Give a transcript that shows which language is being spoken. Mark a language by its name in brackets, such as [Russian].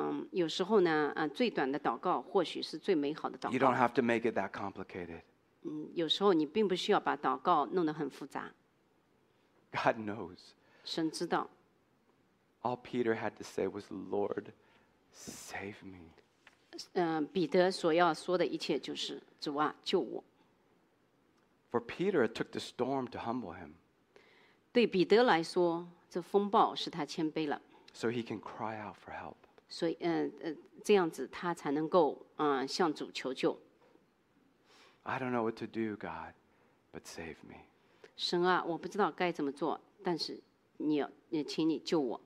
[Chinese] 有时候呢，最短的祷告或许是最美好的祷告。 [English] You don't have to make it that complicated. [Chinese] 有时候你并不需要把祷告弄得很复杂。 [English] God knows. [Chinese] 神知道。 [English] All Peter had to say was, Lord, save me. [Chinese] 彼得所要说的一切就是，主啊，救我。 [English] For Peter, it took the storm to humble him. [Chinese] 对彼得来说，这风暴使他谦卑了。 [English] So he can cry out for help. [Chinese] 所以，这样子他才能够，向主求救。 [English] I don't know what to do, God, but save me. [Chinese] 神啊，我不知道该怎么做，但是你请你救我。